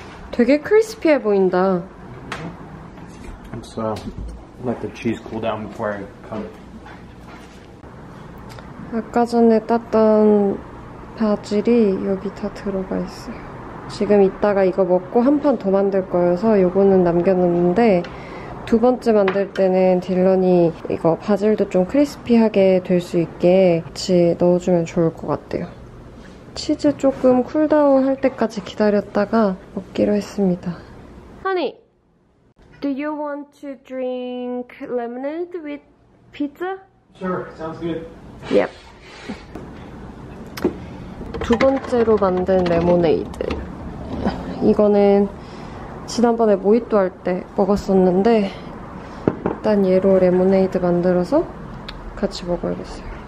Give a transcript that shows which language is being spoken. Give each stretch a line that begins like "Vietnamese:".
Korean: 되게 크리스피해 보인다.
English: Let's let the cheese cool down before I cut it.
Korean: 아까 전에 땄던 바질이 여기 다 들어가 있어요. 지금 이따가 이거 먹고 한 판 더 만들 거여서 요거는 남겨놨는데 두 번째 만들 때는 딜런이 이거 바질도 좀 크리스피하게 될 수 있게 같이 넣어주면 좋을 것 같아요. 치즈 조금 쿨다운 할 때까지 기다렸다가 먹기로 했습니다.
English: Honey, do you want to drink lemonade with pizza? Sure, sounds good. Yep.
Korean: 두 번째로 만든 레모네이드. 이거는 지난번에 모히또 할 때 먹었었는데 일단 얘로 레모네이드 만들어서 같이 먹어야겠어요.